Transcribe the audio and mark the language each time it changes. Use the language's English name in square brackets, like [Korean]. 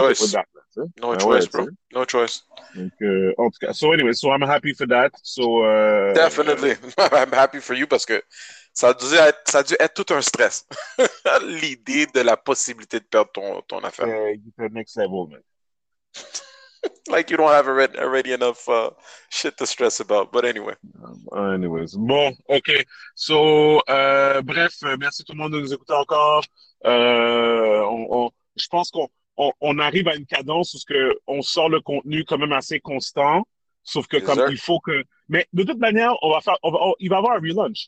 [English] it for that. No choice, bro. T'sais. No choice. So I'm happy for that. Definitely. I'm happy for you [French] parce que ça a dû être tout un stress. L'idée de la possibilité de perdre ton affaire. [English] You're the next level, man. Like you don't have already enough shit to stress about. But anyway. Anyways. [French] Bon, [English] OK. [French] So, bref, merci tout le monde de nous écouter encore. Je pense qu'on arrive à une cadence où on sort le contenu quand même assez constant. Sauf que comme il faut que... Mais de toute manière, il va y avoir un relaunch.